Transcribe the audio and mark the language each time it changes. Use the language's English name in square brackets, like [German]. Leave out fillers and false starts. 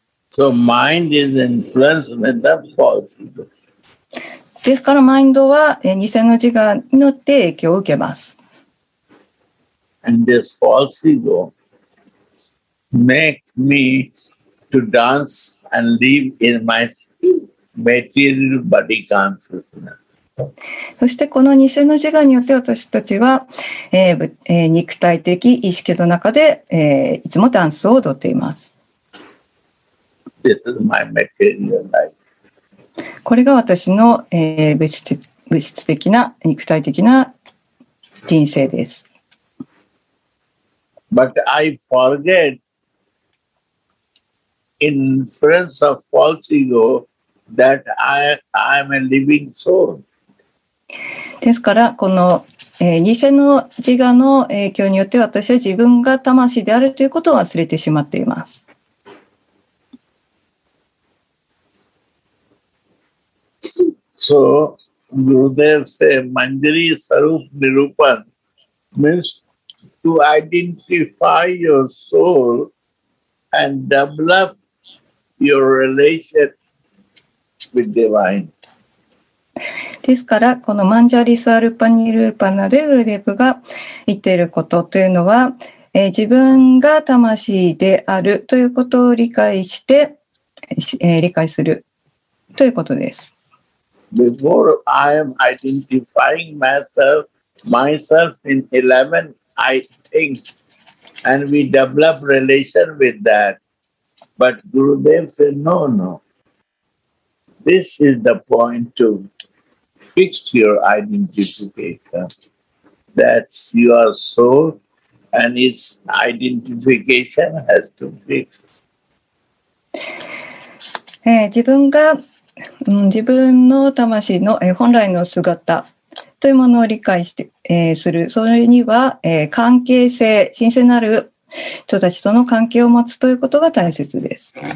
[English] So mind is influenced by the false ego. [Japanese] ですからマインドは偽の自我によって影響を受けます。 [English] And this false ego makes me to dance and live in my material body consciousness. [Japanese] そしてこの偽の自我によって私たちは、肉体的意識の中で、いつもダンスを踊っています。 [English] This is my material life. [Japanese] これが私の、物質的な肉体的な人生です。 [English] But I forget in presence of false ego that I am a living soul. [Japanese] ですからこの、偽の自我の影響によって私は自分が魂であるということを忘れてしまっています。 [English] So, Gurudev say Manjari Sarup Nirupan means to identify your soul and develop your relation with divine. [Japanese] ですからこのマンジャリスアルパニルーパナでグルデープが言っていることというのは、自分が魂であるということを理解して、理解するということです。 [English] Before I am identifying myself, myself in 11, I think, and we develop relation with that. But Gurudev said, no, no. This is the point to fix your identification. That's your soul, and its identification has to fix. [Japanese] 自分が、自分の魂の本来の姿というものを理解して、する。それには、関係性、神聖なる人たちとの関係を持つということが大切です。